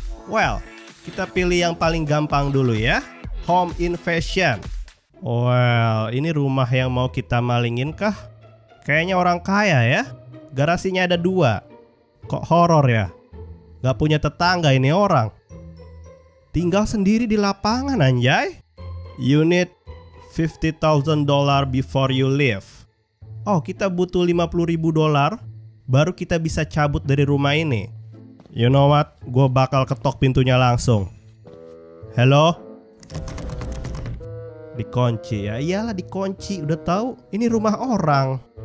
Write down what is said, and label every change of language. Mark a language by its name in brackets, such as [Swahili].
[Indonesian] Well, kita pilih yang paling gampang dulu ya. [English] Home invasion. [Indonesian] Well, ini rumah yang mau kita malingin kah? Kayaknya orang kaya ya. Garasinya ada dua. Kok horor ya? Gak punya tetangga ini orang. Tinggal sendiri di lapangan anjay. [English] You need $50,000 before you leave. [Indonesian] Oh, kita butuh $50,000 baru kita bisa cabut dari rumah ini. [English] You know what? [Indonesian] Gue bakal ketok pintunya langsung. Hello? Dikunci ya. Iyalah dikunci, udah tahu ini rumah orang.